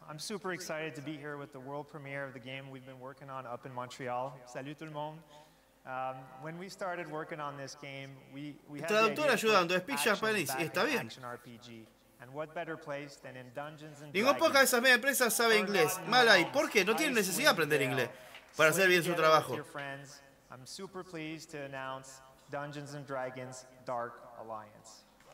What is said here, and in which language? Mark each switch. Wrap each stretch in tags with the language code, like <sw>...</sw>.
<en>I'm super excited to be here with the world premiere of the game we've been working on up in Montreal.</en> <fr>Salut tout le monde.</fr> <en>When we started working on this game, we had the idea of an action RPG. And what better place than in Dungeons and Dragons?</en> <es>Ningún poca de esas empresas sabe inglés. Mal ahí. ¿Por qué? No tienen necesidad de aprender inglés para hacer bien su trabajo.</es> <en>I'm super pleased to announce Dungeons and Dragons Dark Alliance.</en>